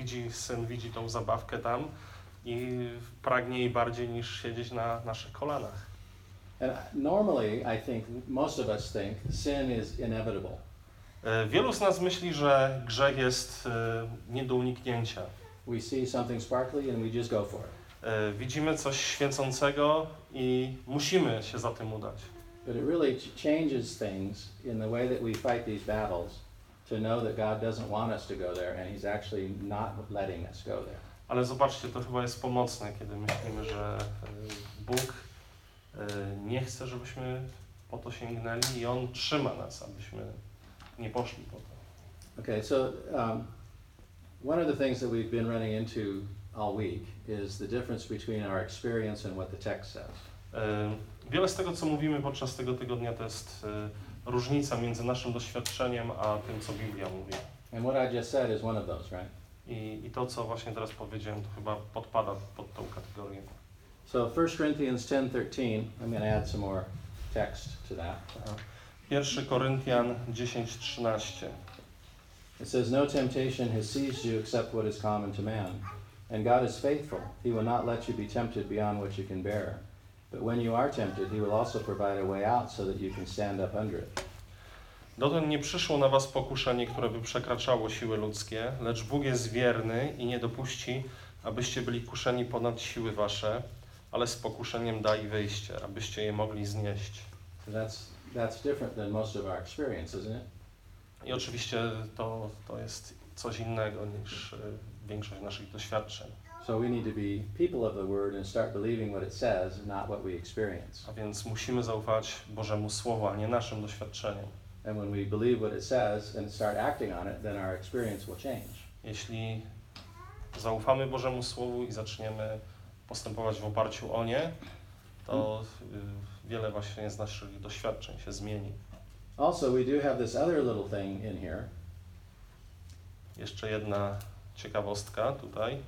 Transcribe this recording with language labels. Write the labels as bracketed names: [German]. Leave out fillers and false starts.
[Polish] Syn widzi tą zabawkę tam i pragnie jej bardziej niż siedzieć na naszych kolanach. [English] And normally, I think, most of us think sin is inevitable. [Polish] Wielu z nas myśli, że grzech jest nie do uniknięcia. [English] We see something sparkly and we just go for it. [Polish] Widzimy coś świecącego i musimy się za tym udać. [English] But it really changes things in the way that we fight these battles to know that God doesn't want us to go there and he's actually not letting us go there. [Polish] Ale zobaczcie, to chyba jest pomocne, kiedy myślimy, że Bóg nie chce, żebyśmy po to sięgnęli i on trzyma nas, abyśmy nie poszli po to. [English] Okay, so one of the things that we've been running into all week is the difference between our experience and what the text says. [Polish] Wiele z tego, co mówimy podczas tego tygodnia, to jest różnica między naszym doświadczeniem a tym, co Biblia mówi. [English] And what I just said is one of those, right? [Polish] I to, co właśnie teraz powiedziałem, to chyba podpada pod tą kategorię. [English] So 1 Corinthians 10:13. I'm going to add some more text to that. 1 Corinthians 10:13. It says, "No temptation has seized you except what is common to man, and God is faithful. He will not let you be tempted beyond what you can bear. But when you are tempted, he will also provide a way out so that you can stand up under it." [Polish] Dotąd nie przyszło na was pokuszenie, które by przekraczało siły ludzkie, lecz Bóg jest wierny i nie dopuści, abyście byli kuszeni ponad siły wasze. Ale z pokuszeniem da i wyjście, abyście je mogli znieść. [English] That's different than most of our experience, isn't it? [Polish] I oczywiście to jest coś innego niż większość naszych doświadczeń. [English] So we need to be people of the word and start believing what it says, not what we experience. [Polish] A więc musimy zaufać Bożemu Słowu, a nie naszym doświadczeniom. [English] And when we believe what it says and start acting on it, then our experience will change. [Polish] Jeśli zaufamy Bożemu Słowu i zaczniemy postępować w oparciu o nie, to wiele właśnie z naszych doświadczeń się zmieni. [English] Also, we do have this other little thing in here. [Polish] Jeszcze jedna ciekawostka tutaj.